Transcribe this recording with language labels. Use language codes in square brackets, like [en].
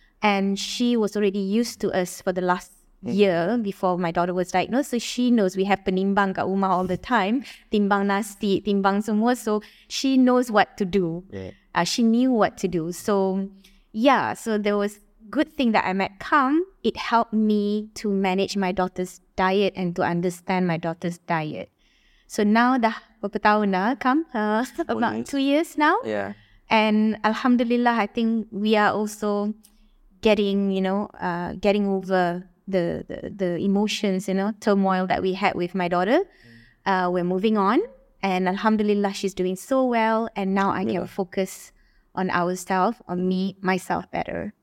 [en] And she was already used to us for the last year before my daughter was diagnosed. So she knows we have [ms] penimbang kat rumah [en] all the time. [ms] Timbang nasi, timbang semua. [en] So she knows what to do. Yeah. She knew what to do. So, yeah, so there was good thing that I met Calm. It helped me to manage my daughter's diet and to understand my daughter's diet. So now [ms] dah berapa tahun dah, Calm? [en] About 2 years now. Yeah. And alhamdulillah, I think we are also getting, you know, getting over the emotions, you know, turmoil that we had with my daughter. We're moving on. And alhamdulillah, she's doing so well. And now I can focus on ourselves, on me, myself better.